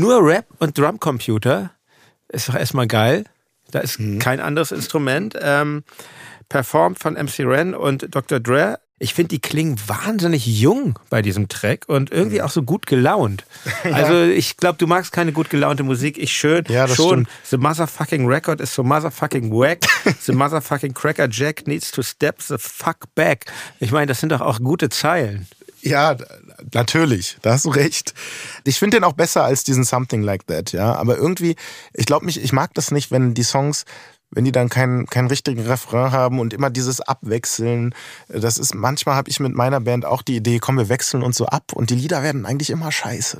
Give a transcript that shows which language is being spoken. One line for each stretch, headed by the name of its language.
German: Nur Rap und Drumcomputer. Ist doch erstmal geil. Da ist kein anderes Instrument. Performt von MC Ren und Dr. Dre. Ich finde, die klingen wahnsinnig jung bei diesem Track und irgendwie auch so gut gelaunt. Also ich glaube, du magst keine gut gelaunte Musik. Ich schön. Ja, das schon. Stimmt.
English: The motherfucking record is so motherfucking whack. The motherfucking Cracker Jack needs to step the fuck back.
German: Ich meine, das sind doch auch gute Zeilen. Ja, natürlich. Da hast du recht. Ich finde den auch besser als diesen Something Like That. Ja, aber irgendwie, ich glaube, ich mag das nicht, wenn die Songs wenn die dann keinen richtigen Refrain haben und immer dieses Abwechseln, das ist, manchmal habe ich mit meiner Band auch die Idee, komm, wir wechseln uns so ab und die Lieder werden eigentlich immer scheiße.